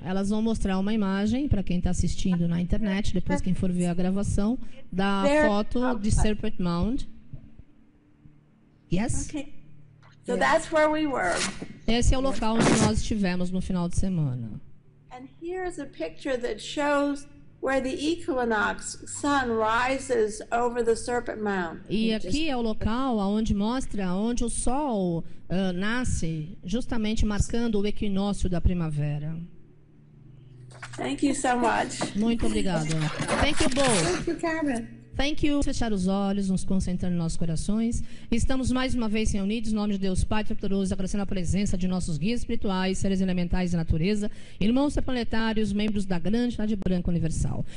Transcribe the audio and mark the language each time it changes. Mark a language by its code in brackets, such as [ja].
[pt] Elas vão mostrar uma imagem para quem está assistindo na internet, depois quem for ver a gravação, da foto de Serpent Mound. [en] Yes? Okay. So yeah. That's where we were. [pt] Esse é o local onde nós estivemos no final de semana. [en] And here's a picture that shows where the equinox sun rises over the Serpent Mound. [pt] E aqui é o local onde mostra onde o sol nasce, justamente marcando o equinócio da primavera. [en] Thank you so much. [pt] Muito obrigada. [en] Thank you both. Thank you, Carmen. Thank you. [pt] Fechar os olhos, nos concentrar em nossos corações. Estamos mais uma vez reunidos, em nome de Deus Pai, Todo-Poderoso, agradecendo a presença de nossos guias espirituais, seres elementais da natureza, irmãos planetários, membros da grande cidade branca universal.